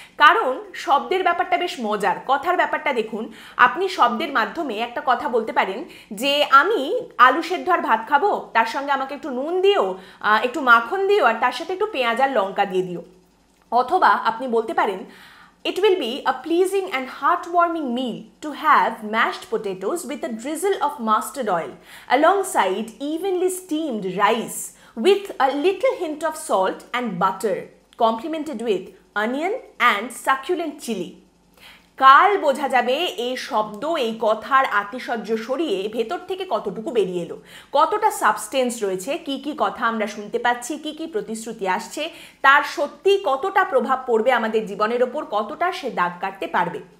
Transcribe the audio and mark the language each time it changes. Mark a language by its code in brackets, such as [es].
[bn] কারণ শব্দের ব্যাপারটা বেশ মজার, কথার ব্যাপারটা দেখুন, আপনি শব্দের মাধ্যমে একটা কথা বলতে পারেন যে আমি আলু সেদ্ধ আর ভাত খাবো, তার সঙ্গে আমাকে একটু নুন দিও, একটু মাখন দিও, আর তার সাথে একটু পেঁয়াজ আর লঙ্কা দিয়ে দিও। অথবা আপনি বলতে পারেন [en] It will be a pleasing and heartwarming meal to have mashed potatoes with a drizzle of mustard oil alongside evenly steamed rice with a little hint of salt and butter, complemented with onion and succulent chili. [bn] কাল বোঝা যাবে এই শব্দ এই কথার আতিশয্য সরিয়ে ভেতর থেকে কতটুকু বেরিয়ে এলো, কতটা সাবস্টেন্স রয়েছে, কি কি কথা আমরা শুনতে পাচ্ছি, কি কি প্রতিশ্রুতি আসছে, তার সত্যি কতটা প্রভাব পড়বে আমাদের জীবনের ওপর, কতটা সে দাগ কাটতে পারবে।